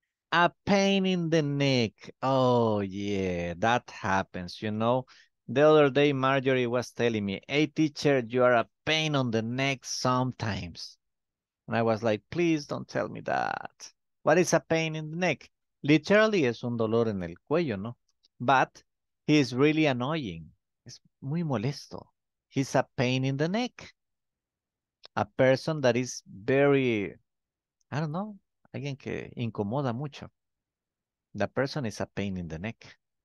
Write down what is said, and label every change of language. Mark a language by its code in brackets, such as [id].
[en] A pain in the neck. Oh, yeah. That happens. You know, the other day, Marjorie was telling me, hey, teacher, you are a pain on the neck sometimes. And I was like, please don't tell me that. What is a pain in the neck? [es] Literally, es un dolor en el cuello, ¿no? [en] But he is really annoying. [es] Es muy molesto. [en] He's a pain in the neck. A person that is very I don't know, [es] alguien que incomoda mucho. [en] The person is a pain in the neck.